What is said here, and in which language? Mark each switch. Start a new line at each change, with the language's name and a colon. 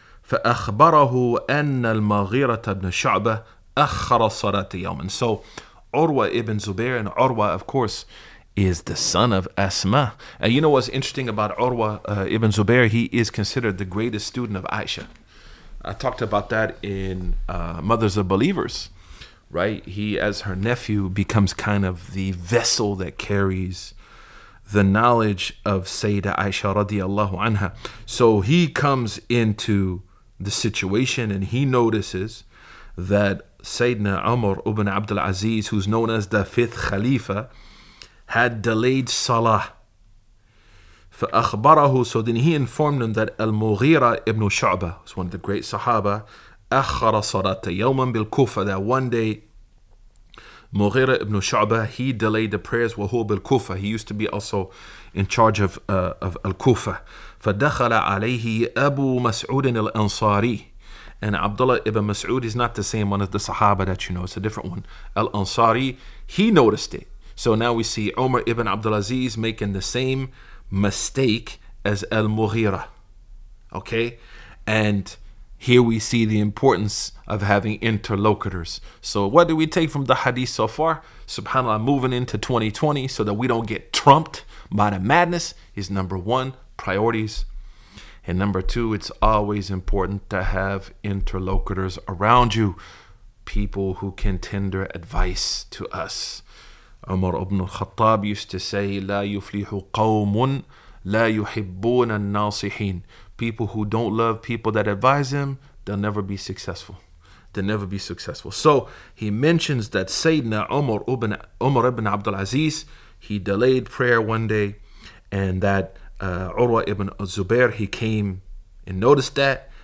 Arabic: فأخبره أن المغيرة بن شعبة أخر صلاة يوم.
English: And so Urwa ibn Zubair, and Urwa, of course, is the son of Asma. And you know what's interesting about Urwa ibn Zubair? He is considered the greatest student of Aisha. I talked about that in Mothers of Believers, right? He, as her nephew, becomes kind of the vessel that carries the knowledge of Sayyida Aisha radiallahu anha. So he comes into the situation and he notices that Sayyidina Umar ibn Abdul Aziz, who's known as the fifth Khalifa, had delayed Salah.
Arabic: فأخبره,
English: so then he informed him that Al-Mughira ibn Shu'ba, who's one of the great Sahaba,
Arabic: أخر صلاة يوما بالكوفة,
English: that one day Mughira ibn Shu'ba, he delayed the prayers,
Arabic: وهو بالكوفة,
English: he used to be also in charge of الكوفة.
Arabic: فدخل عليه أبو مسعود الأنصاري.
English: And Abdullah ibn Mas'ud is not the same one as the Sahaba that you know. It's a different one. Al-Ansari, he noticed it. So now we see Umar ibn Abdulaziz making the same mistake as Al-Mughira. Okay? And here we see the importance of having interlocutors. So what do we take from the hadith so far? SubhanAllah, moving into 2020 so that we don't get trumped by the madness is number one, priorities. And number two, it's always important to have interlocutors around you, people who can tender advice to us. Umar ibn al-Khattab used to say,
Arabic: لا يفلح قوم لا يحبون الناصحين.
English: People who don't love people that advise them, they'll never be successful. They'll never be successful. So he mentions that Sayyidina Umar ibn Abdul Aziz, he delayed prayer one day, and that Urwa ibn Zubair, he came and noticed that.